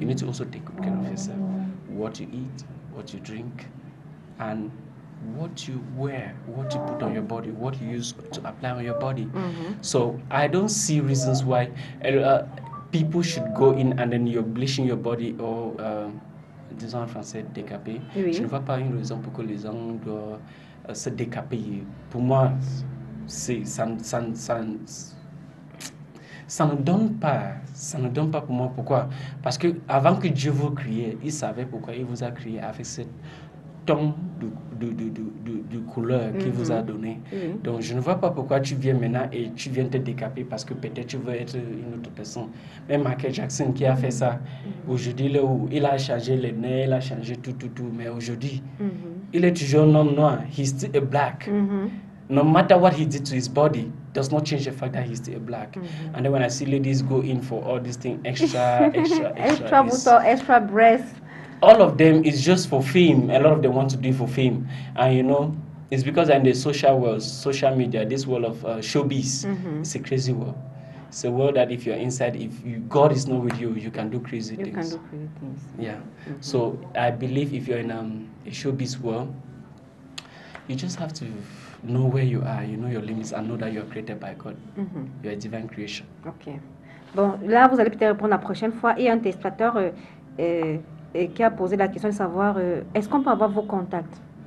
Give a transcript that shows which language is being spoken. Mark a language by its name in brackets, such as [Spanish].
[English] You need to also take good care of yourself. What you eat, what you drink, and what you wear, what you put on your body, what you use to apply on your body. Mm-hmm. So I don't see reasons why people should go in and then you're bleaching your body or, [French] disons en français, décapé. Oui. Je ne vois pas une raison pour que les hommes doivent se décaper. Pour moi, ça ne donne pas pour moi. Pourquoi? Parce que avant que Dieu vous crée, il savait pourquoi il vous a créé avec cette ton de couleur qu'il mm-hmm. vous a donné. Mm-hmm. Donc je ne vois pas pourquoi tu viens maintenant et tu viens te décaper parce que peut-être tu veux être une autre personne. Même Michael Jackson qui a mm-hmm. fait ça mm-hmm. aujourd'hui là où il a changé les nez, il a changé tout, mais aujourd'hui mm-hmm. il est toujours un homme noir. [English] He's still a black. Mm-hmm. No matter what he did to his body, does not change the fact that he's still a black. Mm-hmm. And then when I see ladies go in for all these things, extra buttons, extra breasts. All of them is just for fame. A lot of them want to do it for fame. And you know, it's because in the social world, social media, this world of showbiz, mm-hmm. it's a crazy world. It's a world that if you're inside, if you, God is not with you, you can do crazy things. Yeah. Mm-hmm. So I believe if you're in a showbiz world, you just have to know where you are, you know your limits, and know that you're created by God. Mm-hmm. You're a divine creation. Okay. [French] Bon, là, vous allez peut-être répondre la prochaine fois. Et un testateur, et qui a posé la question de savoir est-ce qu'on peut avoir vos contacts?